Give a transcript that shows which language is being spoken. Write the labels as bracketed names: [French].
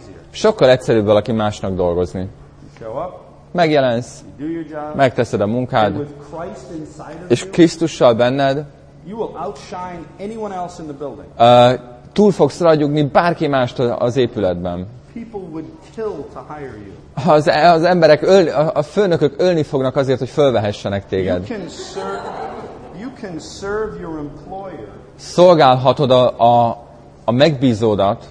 [Hungarian] Sokkal egyszerűbb valaki másnak dolgozni. Megjelensz, megteszed a munkád, és Krisztussal benned, [English] you will outshine anyone else in the building. [Hungarian] Túl fogsz ragyogni bárki mást az épületben. [English] People would kill to hire you. [Hungarian] Az emberek a főnökök ölni fognak azért, hogy fölvehessenek téged. [English] You can serve your employer. [Hungarian] Szolgálhatod a megbízódat.